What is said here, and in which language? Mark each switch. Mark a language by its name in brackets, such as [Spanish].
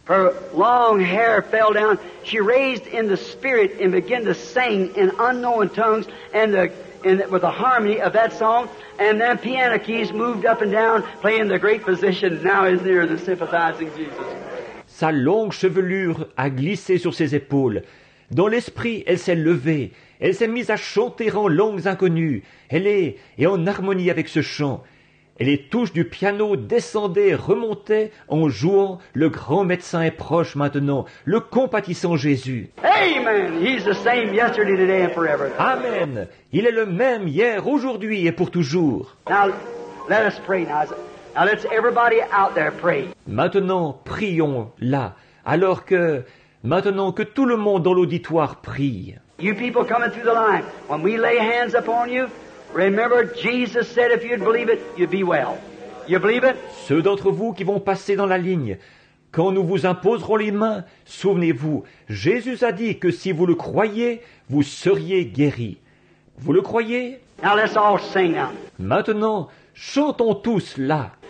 [English] Her long hair fell down. She raised in the spirit and began to sing in unknown tongues, and the in the, with the harmony of that song, and then piano keys moved up and down, playing the great position, now is near the sympathizing Jesus. [French] Sa longue chevelure a glissé sur ses épaules. Dans l'esprit, elle s'est levée. Elle s'est mise à chanter en langues inconnues. Elle est et en harmonie avec ce chant. Et les touches du piano descendaient, remontaient en jouant « Le grand médecin est proche maintenant, le compatissant Jésus ». [English] Amen. He's the same yesterday, today and forever. Amen. [French] Il est le même hier, aujourd'hui et pour toujours. [English] Now, let us pray now. Now let's everybody out there pray. [French] Maintenant, prions là, alors que maintenant que tout le monde dans l'auditoire prie. [English] You people coming through the line, when we lay hands upon you, remember Jesus said if you'd believe it, you'd be well. You believe it? [French] Ceux d'entre vous qui vont passer dans la ligne, quand nous vous imposerons les mains, souvenez-vous, Jésus a dit que si vous le croyez, vous seriez guéri. Vous le croyez? [English] Now let's all sing now. [French] Maintenant, chantons tous là.